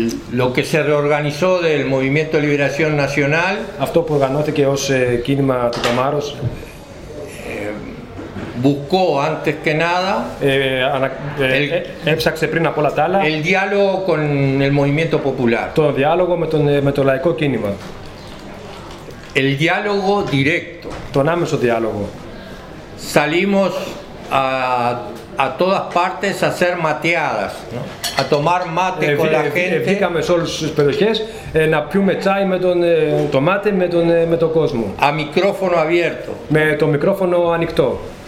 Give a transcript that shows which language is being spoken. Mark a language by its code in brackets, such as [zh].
[es] Lo que se reorganizó del Movimiento de Liberación Nacional. [el] Αυτό που οργανώθηκε ως κίνημα του Καμάρος. [es] Buscó antes que nada. [el] Έψαξε πριν από όλα τα άλλα. [es] El diálogo con el Movimiento Popular. [el] Το διάλογο με το λαϊκό κίνημα. [es] El diálogo directo. [el] Τον άμεσο διάλογο. [es] Salimos a todas partes a hacer mateadas, ¿no? A tomar mate con la gente. [el] Βγήκαμε σε όλες τις περιοχές να πιούμε τσάι με τον μάτι με τον κόσμο. [es] A micrófono abierto. [el] Με το μικρόφωνο ανοιχτό.